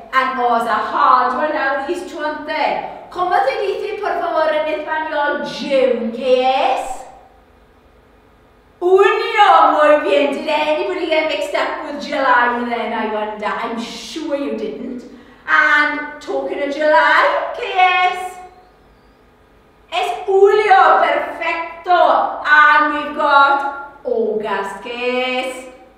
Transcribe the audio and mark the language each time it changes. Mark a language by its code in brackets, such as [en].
[en] And was a hard one now, these two and three. [es] ¿Cómo se dice, por favor, en español, June? ¿Qué es? Junio. Muy bien. [en] Did anybody get mixed up with July then, I wonder? I'm sure you didn't. And talking of July, [es] ¿qué es? Es julio, perfecto. [en] And we've got August, [es] que es.